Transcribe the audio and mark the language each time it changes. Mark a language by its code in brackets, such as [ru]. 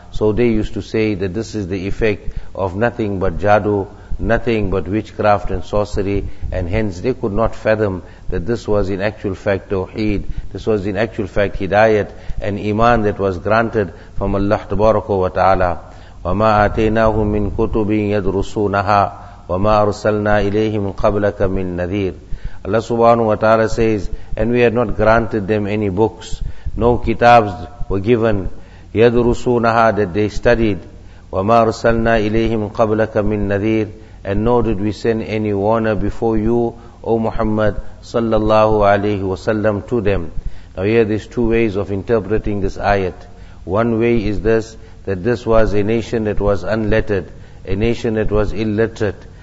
[en] So they used to say that this is the effect of nothing but jadu, nothing but witchcraft and sorcery, and hence they could not fathom that this was in actual fact Tawheed, this was in actual fact Hidayat and Iman that was granted from Allah Tabaraka wa Ta'ala. [ar] وَمَا آتَيْنَاهُمْ مِنْ كُتُبٍ يَدْرُسُونَهَا وَمَا أَرْسَلْنَا إِلَيْهِمْ قَبْلَكَ مِنْ نَذِيرٍ, [en] Allah subhanahu wa ta'ala says, and we had not granted them any books, no kitabs were given. [ar] يَدْرُسُونَهَا, [en] that they studied. [ar] وَمَا أَرْسَلْنَا إِلَيْهِمْ قَبْلَكَ مِنْ نَذِيرٍ, [en] and nor did we send any warner before you, O Muhammad sallallahu alayhi wa sallam, to them. Now here there's two ways of interpreting this ayat. One way is this, that this was a nation that was unlettered, a nation that was illiterate.